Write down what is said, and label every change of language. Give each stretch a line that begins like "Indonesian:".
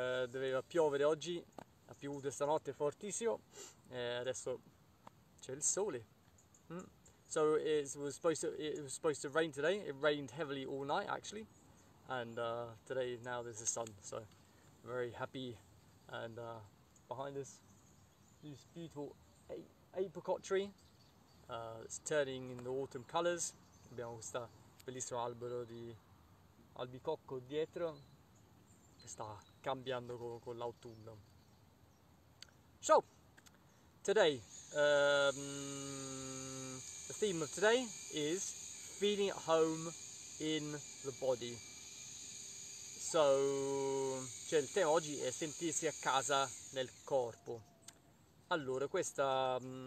Italian: Doveva piovere oggi, ha piovuto stanotte fortissimo, adesso c'è il sole.
English: So it was supposed to rain today. It rained heavily all night actually, and today now there's the sun, so very happy. And behind us this beautiful apricot tree. It's turning in the autumn colors.
Italian: Abbiamo questo bellissimo albero di albicocco dietro che sta cambiando con l'autunno.
English: So, today, the theme of today is feeling at home in the body.
Italian: So, cioè il tema oggi è sentirsi a casa nel corpo. Allora, questa...